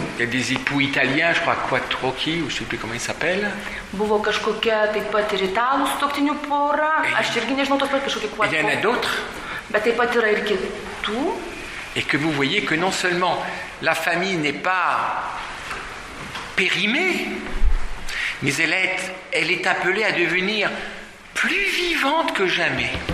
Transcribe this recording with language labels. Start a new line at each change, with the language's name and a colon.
French: Il y a des époux italiens, je crois, Quattro qui, ou je sais plus comment ils s'appellent.
Lithuanian: Buvo kažkokia taip pat ir italų sutuoktinių pora. Aš irgi nežinau, tos pat kažkokie Quattro.
French: Il y en a d'autres.
Lithuanian: Bet taip pat yra ir kitų.
French: Et que vous voyez que non seulement la famille n'est pas périmée, mais elle est appelée à devenir plus vivante que jamais.